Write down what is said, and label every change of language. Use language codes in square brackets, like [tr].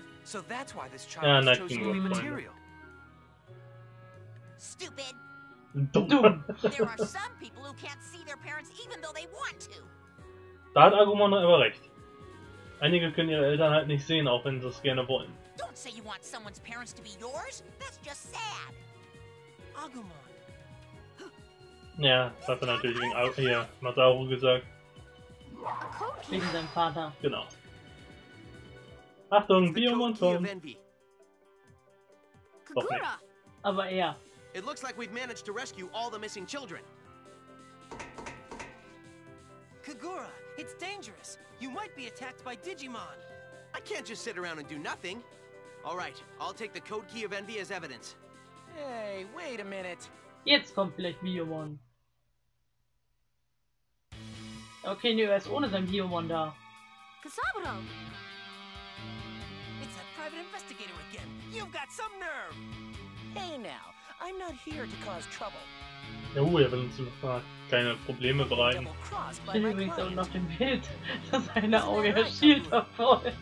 [en] So that's why this child chose to be material. Stupid. There are some people who can't see their parents even though they want to. [de] Da hat Agumon aber recht. Einige können ihre Eltern halt nicht sehen, auch wenn sie es gerne wollen. [en] Don't say you want someone's parents to be yours. That's just sad. Agumon. [de] Ja, das hat er natürlich wegen Masaru gesagt. Wegen seinem Vater. Genau. Achtung, Biomontum. Doch nicht. Aber er. [en] It looks like we've managed to rescue all the missing children. Kagura, it's dangerous. You might be attacked by Digimon. I can't just sit around and do nothing. All right, I'll take the code key of Envy as evidence. Hey, wait a minute. [de] Jetzt kommt vielleicht Biomon. Okay, nur er ist ohne sein Biomon da. [en] Kasaburo. It's a private investigator again. You've got some nerve. Hey now, I'm not here to cause trouble. [de] Ja, er will uns ein paar kleine Probleme bereiten. Ich bin übrigens auch nach dem Bild, dass seine Auge erschielt davor.